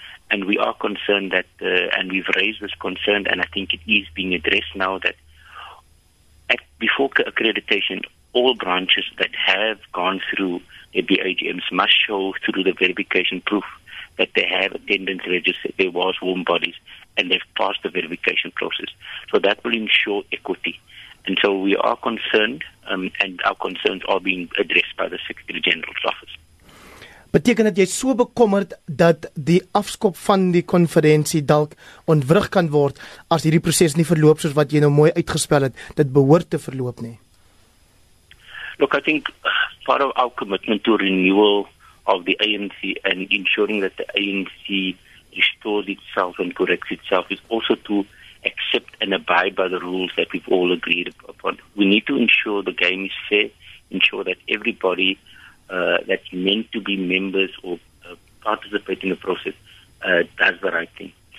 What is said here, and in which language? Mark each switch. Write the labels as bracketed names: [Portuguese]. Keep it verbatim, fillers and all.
[English] And we are concerned that, uh, and we've raised this concern, and I think it is being addressed now, that at, before accreditation, all branches that have gone through the B A G Ms must show through the verification proof that they have attendance registered, there was warm bodies, and they've passed the verification process. So that will ensure equity. And so we are concerned, um, and our concerns are being addressed by the Secretary General's office. [Afrikaans] Beteken dat jy so bekommerd dat die afskop van die konferensie dalk ontwrig kan word as hierdie proses nie verloop soos wat jy nou mooi uitgespel het, dit behoort te verloop nie? [English] Look, I think part of our commitment to renewal of the A N C and ensuring that the A N C restores itself and corrects itself is also to accept and abide by the rules that we've all agreed upon. We need to ensure the game is fair, ensure that everybody Uh, that's meant to be members or uh, participate in the process, uh, does the right thing.